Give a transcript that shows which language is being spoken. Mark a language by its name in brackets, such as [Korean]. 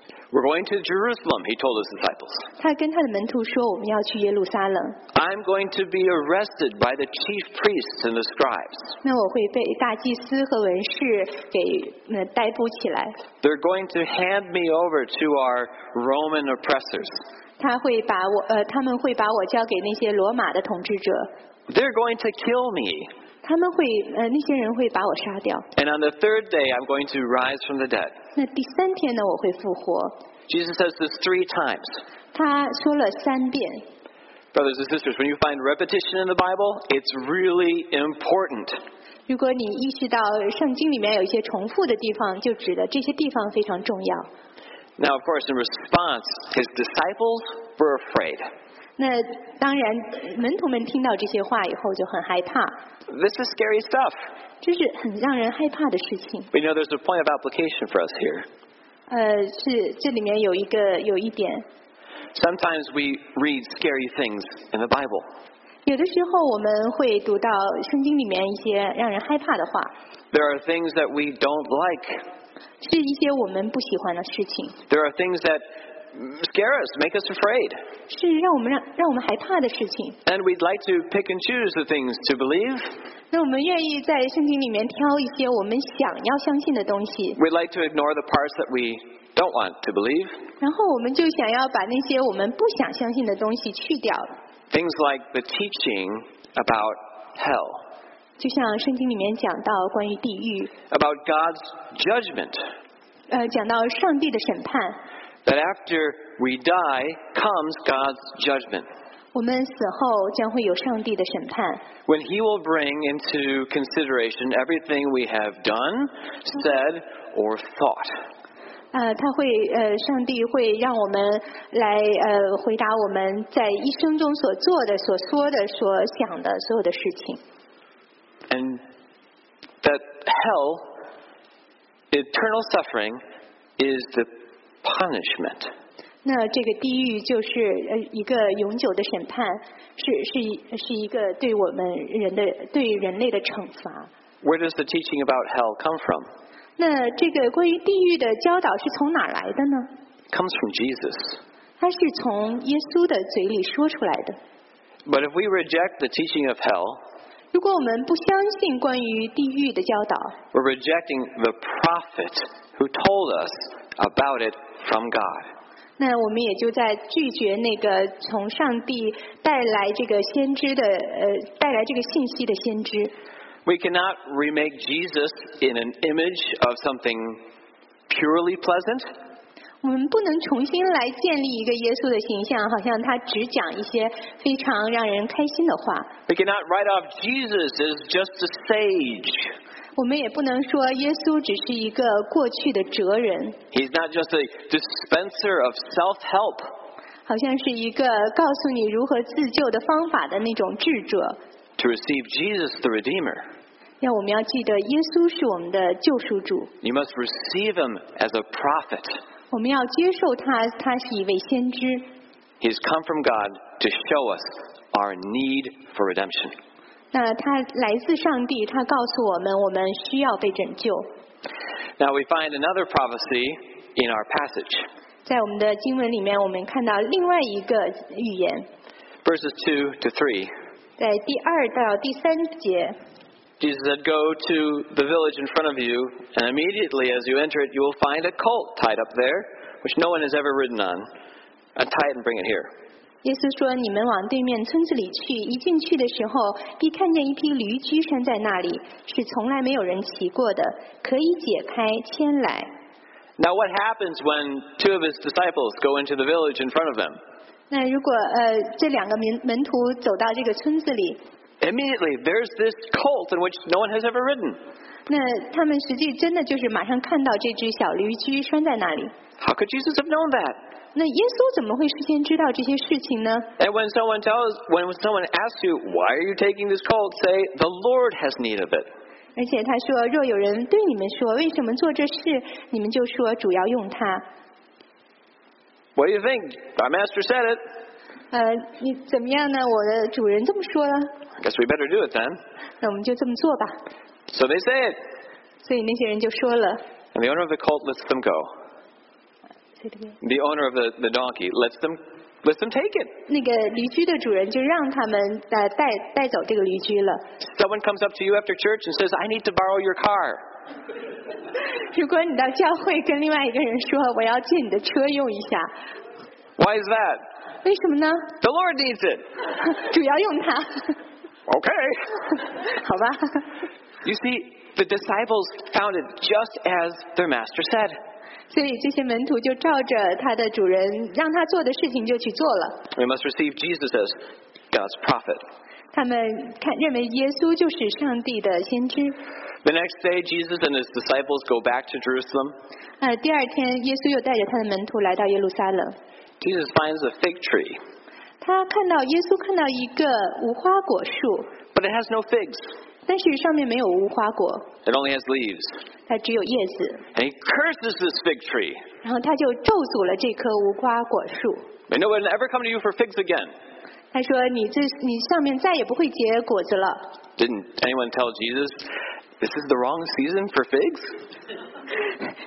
[English] We're going to Jerusalem, he told his disciples. [Chinese] 他跟他的门徒说我们要去耶路撒冷。 [English] I'm going to be arrested by the chief priests and the scribes. [Chinese] 那我会被大祭司和文士给逮捕起来。 [English] They're going to hand me over to our Roman oppressors. [Chinese] 他们会把我交给那些罗马的统治者。 [English] They're going to kill me. [Chinese] 他们会那些人会把我杀掉。 [English] And on the third day, I'm going to rise from the dead. [Chinese] 那第三天呢，我会复活。 [English] Jesus says this three times. [Chinese] 他说了三遍。 [English] Brothers and sisters, when you find repetition in the Bible, it's really important. [Chinese] 如果你意识到圣经里面有一些重复的地方，就指的这些地方非常重要。 [English] Now, of course, in response, his disciples were afraid. [Chinese] 那当然，门徒们听到这些话以后就很害怕。 [English] This is scary stuff. [Chinese] 这是很让人害怕的事情。 [English] We know there's a point of application for us here. [Chinese] 是这里面有一点。 [English] Sometimes we read scary things in the Bible. [Chinese] 有的时候我们会读到圣经里面一些让人害怕的话。 [English] There are things that we don't like. [Chinese] 是一些我们不喜欢的事情。 [English] There are things that scare us, make us afraid. [Chinese] 是让我们害怕的事情。 [English] And we'd like to pick and choose the things to believe. [Chinese] 那我们愿意在圣经里面挑一些我们想要相信的东西。 [English] We'd like to ignore the parts that we don't want to believe. [Chinese] 然后我们就想要把那些我们不想相信的东西去掉。 [English] Things like the teaching about hell. [Chinese] 就像圣经里面讲到关于地狱 [English] ，about God's judgment， [Chinese] 讲到上帝的审判 [English] ，that after we die comes God's judgment， [Chinese] 我们死后将会有上帝的审判 [English] ，when He will bring into consideration everything we have done, said, or thought， [Chinese] 他会上帝会让我们来回答我们在一生中所做的、所说的、所想的所有的事情。 [English] And that hell, eternal suffering, is the punishment. [Chinese] 那这个地狱就是一个永久的审判，是一个对我们人的对人类的惩罚。 [English] Where does the teaching about hell come from? [Chinese] 那这个关于地狱的教导是从哪来的呢？ [English] Comes from Jesus. [Chinese] 它是从耶稣的嘴里说出来的。 [English] But if we reject the teaching of hell. [Chinese] 如果我们不相信关于地狱的教导 [English] We're rejecting the prophet who told us about it from God. [Chinese] 那我们也就在拒绝那个从上帝带来这个先知的带来这个信息的先知 [English] We cannot remake Jesus in an image of something purely pleasant. [Chinese] 我们不能重新来建立一个耶稣的形象，好像他只讲一些非常让人开心的话。 [English] We cannot write off Jesus as just a sage. [Chinese] 我们也不能说耶稣只是一个过去的哲人。 [English] He's not just a dispenser of self-help. [Chinese] 好像是一个告诉你如何自救的方法的那种智者。 [English] To receive Jesus the Redeemer. [Chinese] 要我们要记得耶稣是我们的救赎主。 [English] You must receive him as a prophet. [Chinese] 我们要接受他，他是一位先知。 [English] He's come from God to show us. Our need for redemption. [Chinese] 那他来自上帝，他告诉我们，我们需要被拯救。 [English] Now we find another prophecy in our passage. [Chinese] 在我们的经文里面，我们看到另外一个预言。 [English] Verses 2-3. [Chinese] 在第二到第三节。 [English] Jesus said, "Go to the village in front of you, and immediately as you enter it, you will find a colt tied up there, which no one has ever ridden on. Untie it and bring it here." [Chinese] 耶稣说：“你们往对面村子里去，一进去的时候，必看见一匹驴居拴在那里，是从来没有人骑过的，可以解开牵来。” [English] Now, what happens when two of his disciples go into the village in front of them? [Chinese] 那如果这两个门徒走到这个村子里 [English] ，Immediately there's this colt in which no one has ever ridden. [Chinese] 那他们实际真的就是马上看到这只小驴驹拴在那里。 [English] How could Jesus have known that? [Chinese] 那耶稣怎么会事先知道这些事情呢 [English] ？And when someone tells, when someone asks you, why are you taking this colt? Say, the Lord has need of it. [Chinese] 而且他说，若有人对你们说，为什么做这事，你们就说主要用它。 [English] What do you think? Our master said it. [Chinese] 你怎么样呢？我的主人这么说了。 [English] Guess we better do it then. [Chinese] 那我们就这么做吧。 [English] So they say it. [Chinese] 所以那些人就说了。 [English] And the owner of the colt lets them go. The owner of the donkey lets them take it. [Chinese] 那个驴驹的主人就让他们带走这个驴驹了。 [English] Someone comes up to you after church and says, "I need to borrow your car." [Chinese] 如果你到教会跟另外一个人说，我要借你的车用一下。 [English] Why is that? [Chinese] 为什么呢 [English] ？The Lord needs it. [Chinese] 主要用它。 [English] okay. [Chinese] 好吧。 [English] You see, the disciples found it just as their master said. [Chinese] 所以这些门徒就照着他的主人让他做的事情就去做了。 [English] We must receive Jesus as God's prophet. [Chinese] 他们看认为耶稣就是上帝的先知。 [English] The next day, Jesus and his disciples go back to Jerusalem. [Chinese] 第二天，耶稣又带着他的门徒来到耶路撒冷。 [English] Jesus finds a fig tree. [Chinese] 他看到耶稣看到一个无花果树。 [English] But it has no figs. [Chinese] 但是上面没有无花果。 [English] It only has leaves. [Chinese] 它只有叶子。 [English] And he curses this fig tree. [Chinese] 然后他就咒诅了这棵无花果树。 [English] May no one ever come to you for figs again. [Chinese] 他说你上面再也不会结果子了。 [English] Didn't anyone tell Jesus? This is the wrong season for figs?